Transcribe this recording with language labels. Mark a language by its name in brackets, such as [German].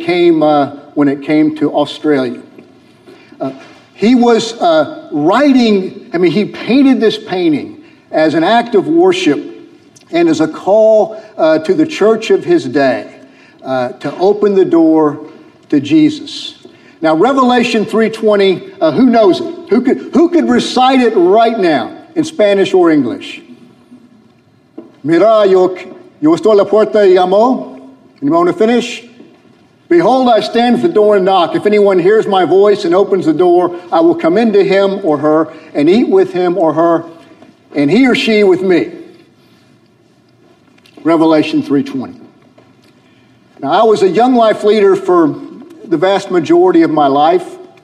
[English] When it came to Australia. He was he painted this painting as an act of worship and as a call to the church of his day to open the door to Jesus. Now, Revelation 3:20, who knows it? Who could recite it right now in Spanish or English? [Spanish] Mira, yo estoy a la puerta y llamo. [English] Anyone want to finish? Behold, I stand at the door and knock. If anyone hears my voice and opens the door, I will come into him or her and eat with him or her, and he or she with me. Revelation 3:20. Now, I was a young life leader for the vast majority of my life.